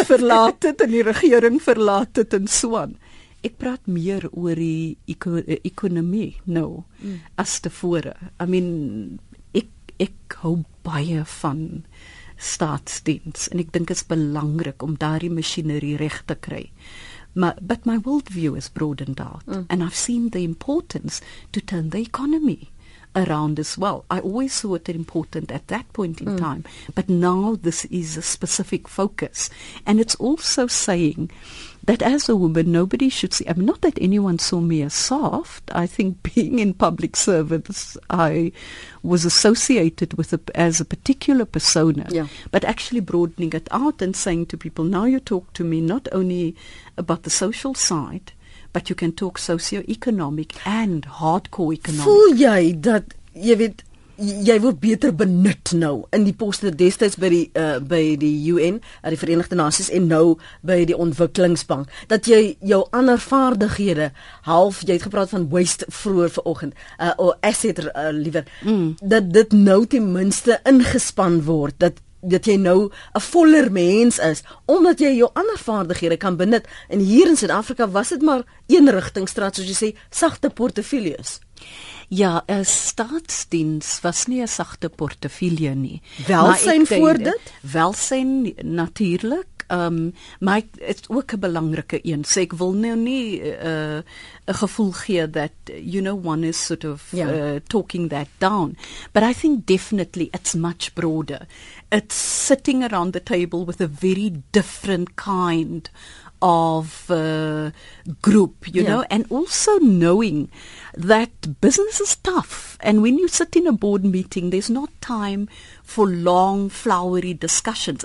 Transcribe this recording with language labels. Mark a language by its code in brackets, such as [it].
[af] verlaat het en die regering verlaat het en so aan. Ek praat meer oor die ekonomie nou as tevore. [en] I mean, [af] ek hou baie van staatsdiens en ek dink is belangrik om daardie machinerie reg te kry. [en] But my worldview is broadened out and I've seen the importance to turn the economy around as well. I always saw it important at that point in time, but now this is a specific focus. And it's also saying that as a woman, nobody should see, I mean, not that anyone saw me as soft. I think being in public service, I was associated with as a particular persona, but actually broadening it out and saying to people, now you talk to me not only about the social side, but you can talk socio-economic and hardcore economic. [af] Voel jy dat, jy weet, jy word beter benut nou in die poste destijds by die UN, die Verenigde Naties, en nou by die Ontwikkelingsbank, dat jy jou ander vaardighede, half, jy het gepraat van waste vroeger vanoggend, dat dit nou ten minste ingespan word, dat jy nou 'n voller mens is, omdat jy jou ander vaardighede kan benut. En hier in Suid-Afrika was dit maar een rigtingstraat, soos jy sê, sagte portefeuilles. Ja, 'n staatsdiens was nie 'n sagte portefeulje nie. Welsyn voor dit? Welsyn, natuurlik. Maar ek, het is ook 'n belangrike een, so ek wil nou nie 'n gevoel gee dat, [en] you know, one is sort of talking that down. But I think definitely it's much broader. It's sitting around the table with a very different kind of group, you know, and also knowing that business is tough. And when you sit in a board meeting, there's not time for long, flowery discussions.